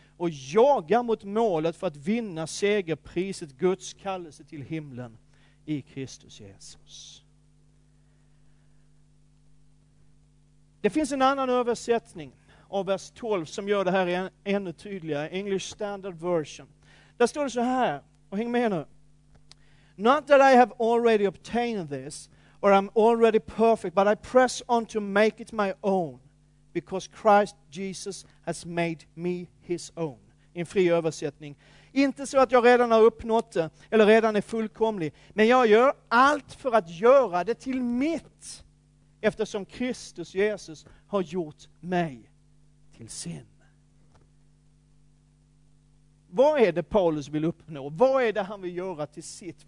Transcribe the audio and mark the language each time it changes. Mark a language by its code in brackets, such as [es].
[sv] Och jagar mot målet för att vinna segerpriset Guds kallelse till himlen i Kristus Jesus. Det finns en annan översättning av vers 12 som gör det här ännu tydligare. English Standard Version. Där står det så här. Och häng med nu. [en] Not that I have already obtained this. Or I'm already perfect, but I press on to make it my own because Christ Jesus has made me his own. [sv] En fri översättning. Inte så att jag redan har uppnått det eller redan är fullkomlig, men jag gör allt för att göra det till mitt eftersom Kristus Jesus har gjort mig till sin. Vad är det Paulus vill uppnå? Vad är det han vill göra till sitt?